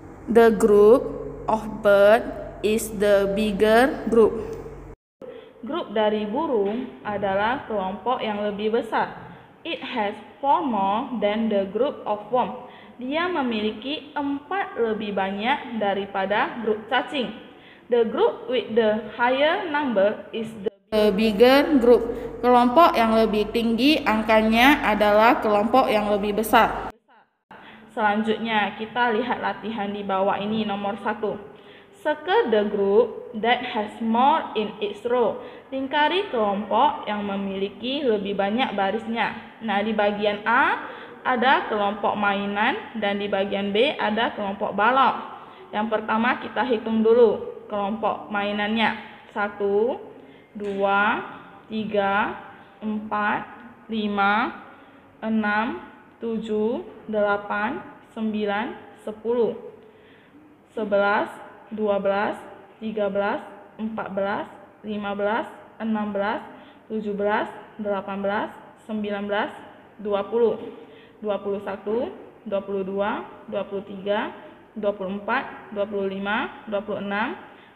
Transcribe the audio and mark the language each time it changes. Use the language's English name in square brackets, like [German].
[English] The group of bird is the bigger group. [Indonesian] Grup dari burung adalah kelompok yang lebih besar. [English] It has 4 more than the group of worm. [Indonesian] Dia memiliki 4 lebih banyak daripada grup cacing. [English] The group with the higher number is the bigger group. [Indonesian] Kelompok yang lebih tinggi angkanya adalah kelompok yang lebih besar. Selanjutnya kita lihat latihan di bawah ini nomor 1. [English] Circle the group that has more in its row. [Indonesian] Lingkari kelompok yang memiliki lebih banyak barisnya. Nah, di bagian A ada kelompok mainan dan di bagian B ada kelompok balok. Yang pertama kita hitung dulu kelompok mainannya. 1, 2, 3, 4, 5, 6, 7, 8, 9, 10, 11, 12, 13, 14, 15, 16, 17, 18, 19, 20, 21, 22, 23, 24, 25, 26,